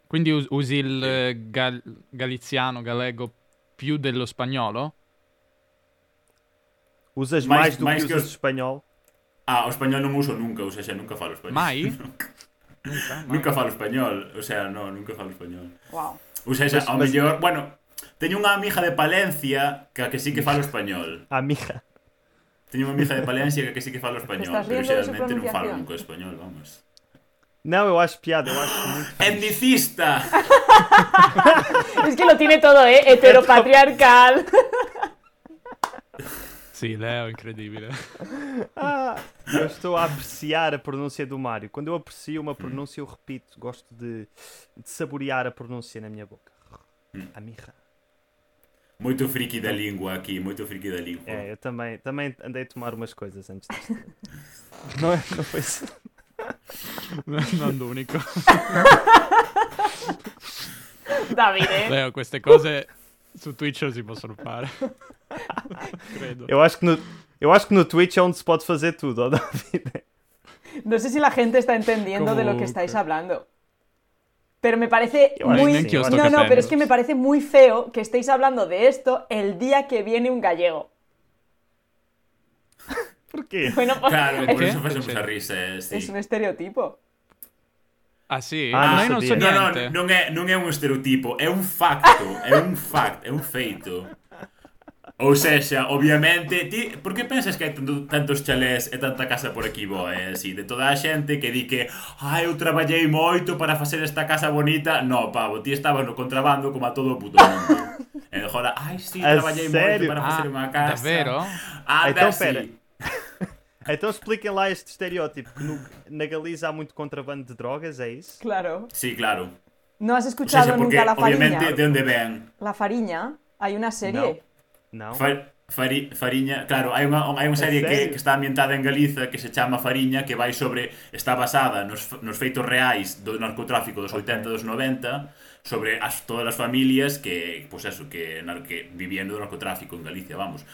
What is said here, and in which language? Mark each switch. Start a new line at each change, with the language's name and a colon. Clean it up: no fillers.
Italian: Quindi usi il galiziano, galego, più dello spagnolo?
Portuguese: Usas mais do que usas o espanhol?
Galician: Ah, o español non uso nunca, ou seja, nunca falo español.
Italian: Mai?
Galician: nunca falo español, ou seja, non, nunca falo español. Wow. Ou seja, ao mellor, bueno, teño unha amiga de Palencia que sí que falo español. Amiga. Teño unha amiga de Palencia que sí que falo español, pero xeralmente non falo nunca español, vamos.
Portuguese: Non, eu acho piada, eu acho muito...
Spanish: Etnicista! Es que lo tiene todo, eh? Heteropatriarcal. Sim, Léo, incrível. Ah, eu estou a apreciar a pronúncia do Mário. Quando eu aprecio uma pronúncia, eu repito. Gosto de saborear a pronúncia na minha boca. A mirra. Muito friki da língua aqui, muito friki da língua. É, eu também andei a tomar umas coisas antes disto. Não, não foi isso. Não do único.
Italian: Davide. Léo, queste cose... Su Twitch non si possono fare. Credo. Io acho che no Twitch è onde si può fare tutto, Davide. Non so se la gente sta intendendo come... de lo che stai parlando.
Spanish: Pero me parece muy... No, pero es que me parece muy feo que estéis hablando de esto el día que viene un gallego. ¿Por qué? Bueno, pues... Claro, por eso
Italian: fa sempre a risa, sì.
Spanish: Es un estereotipo.
Italian: Ah, sí? Ah, no, non so niente. Non è un estereotipo, è un facto,
Galician: è un feito. Ou seja, obviamente, ti, por que pensas que hai tantos chalés e tanta casa por aquí boa, así, de toda a xente que di que ai, eu traballei moito para facer esta casa bonita? No, pavo, ti estabas no contrabando como a todo o puto mundo. E agora, ai, sí, traballei moito para facer unha casa.
Italian: Davvero?
Portuguese: Ah, então, espera. Então expliquem lá este estereótipo, que na Galiza há muito contrabando de drogas, é isso? Claro. Sim,
Spanish: sí,
Portuguese: claro.
Spanish: Não has escuchado,
Portuguese: seja, porque, nunca La Farinha? Obviamente, de onde vem? La Farinha? Há uma série? Não.
Galician: Farinha, claro, hai unha serie que está ambientada en Galiza que se chama Farinha, que vai sobre, está basada nos feitos reais do narcotráfico dos 80 e dos 90, sobre todas as familias que, pues eso, que vivían do narcotráfico en Galicia, vamos.